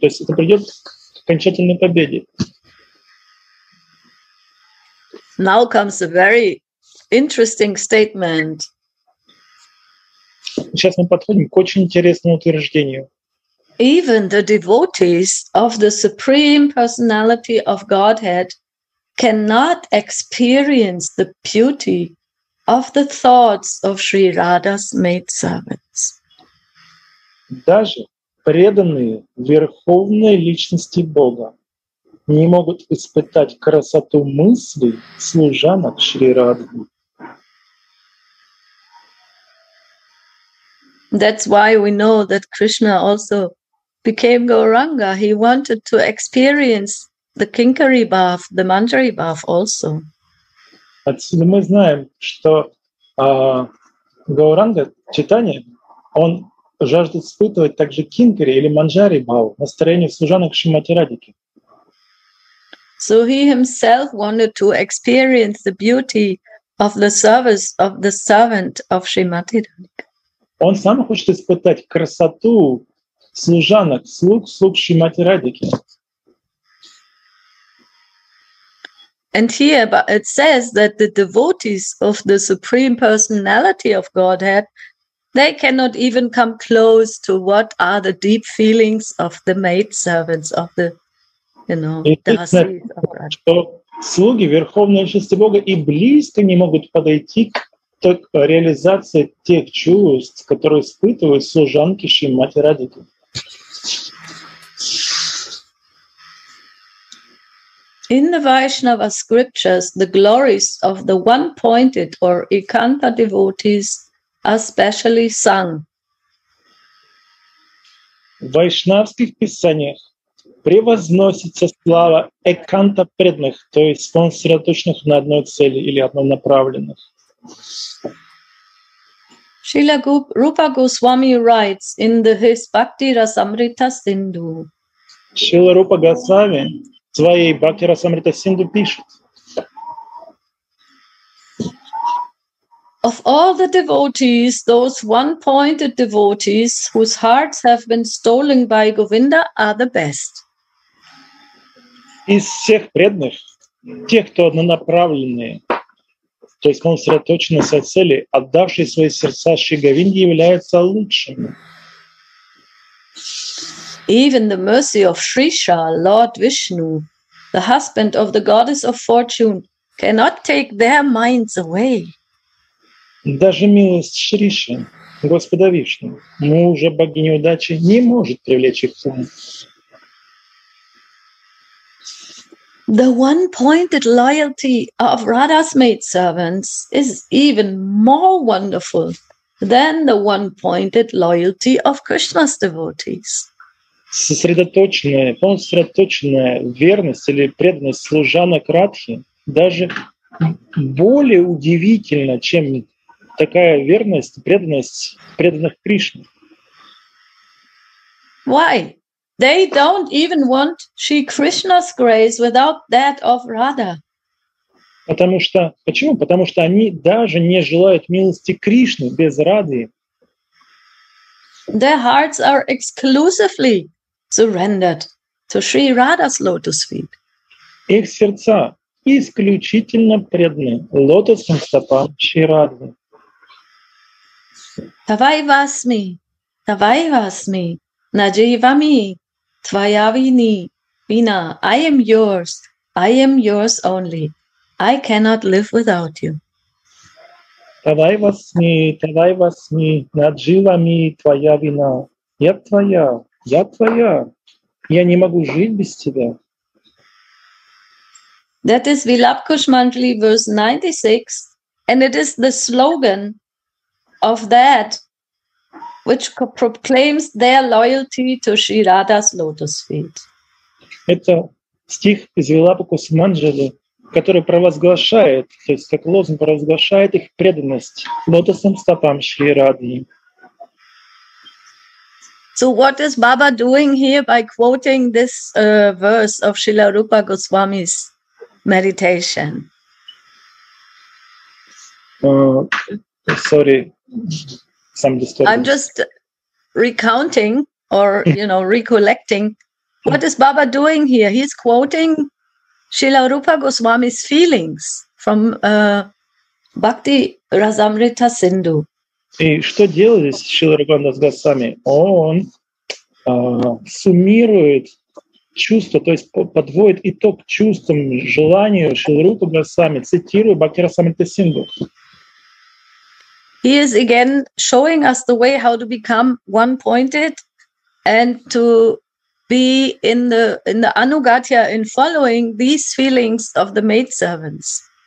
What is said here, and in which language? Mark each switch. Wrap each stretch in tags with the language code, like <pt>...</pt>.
<ru>То есть это придет к окончательной победе.</ru> <en>Now comes a very interesting statement.</en> <ru>Сейчас мы подходим к очень интересному утверждению.</ru> <en>Even the devotees of the Supreme Personality of Godhead cannot experience the beauty of the thoughts of Sri Radha's maid servants.</en> <ru>Даже преданные верховной личности Бога не могут испытать красоту мыслей служанок Шри Радхи.</ru> <en>That's why we know that Krishna also became Gauranga. He wanted to experience the Kinkari bath, the Manjari bath also.</en> <ru>Отсюда мы знаем, что Гауранга Читания, он жаждет испытывать также кинкари или манджари бхав, настроение служанок Шримати Радхики.</ru> <en>So he himself wanted to experience the beauty of the service of the servant of Шримати Радхика.</en> <ru>Он сам хочет испытать красоту служанок, слуг Шримати Радхики.</ru> <en>And here it says that the devotees of the Supreme Personality of Godhead, they cannot even come close to what are the deep feelings of the maid servants of the, you know, dasis of God.</en> <ru>Что слуги Верховной Личности Бога и близко не могут подойти к реализации тех чувств, которые испытывают служанки Шримати Радхики.</ru> <en>In the Vaishnava scriptures, the glories of the one-pointed or Ekanta devotees are specially sung.</en> <ru>Вайшнавских писаниях превозносится слава Эканта преданных, то есть сконцентрированных на одной цели или однонаправленных.</ru> <en>Srila Rupa Goswami writes in the his Bhakti Rasamrita Sindhu.</en> <ru>Srila Rupa Goswami в своей Bhakti Rasamrita Sindhu пишет.</ru> <en>Of all the devotees, those one-pointed devotees whose hearts have been stolen by Govinda are the best.</en> <ru>Из всех преданных, тех, кто однонаправленные, то есть сконцентрированы на цели, отдавшие свои сердца Шри Говинде, являются лучшими.</ru> <en>Even the mercy of Shrisha, Lord Vishnu, the husband of the goddess of fortune, cannot take their minds away.</en> <ru>Даже милость Шриши, Господа Вишну, мужа богини удачи, не может привлечь их к нему.</ru> <en>The one-pointed loyalty of Radha's maidservants is even more wonderful than the one-pointed loyalty of Krishna's devotees.</en> <ru>Сосредоточенная, сконцентрированная верность или преданность служанок Радхи даже более удивительна, чем такая верность, преданность преданных Кришне.</ru> <en>Why? They don't even want Shri Krishna's grace without that of Radha.</en> <ru>Потому что почему? Потому что они даже не желают милости Кришны без Рады.</ru> <en>Their hearts are exclusively surrendered to Shri Radha's lotus feet.</en> <ru>Их сердца исключительно преданы лотосным стопам Шри Радхи.</ru> <sa>Tavai vasmi, najivami. Tvayavini, Vina,</sa> <en>I am yours only. I cannot live without you.</en> <sa>Tavai vasmi, nadjivami, tvayavina.</sa> <ru>Я твоя, я твоя. Я не могу жить без тебя.</ru> <en>That is Vilap Kushmandali, verse 96, and it is the slogan of that which proclaims their loyalty to Shri Radha's lotus feet.</en> <ru>Это стих из Вилапа Кусуманджали, который провозглашает, то есть как лозунг провозглашает их преданность лотосным стопам Шри Радхи.</ru> <en>So what is Baba doing here by quoting this verse of Srila Rupa Goswami's meditation? Sorry. I'm just recounting or, you know, recollecting. What is Baba doing here? He's quoting Srila Rupa Goswami's feelings from Bhakti Rasamrita Sindhu.</en> <ru>И что делает здесь Шрила Рупа Госвами? Он суммирует чувства, то есть подводит итог чувствам, желанию Шрила Рупа Госвами, цитируя Бхакти Расамрита Синду.</ru> <en>He is again showing us the way how to become one-pointed and to be in the anugatya, in following these feelings of the maidservants.</en>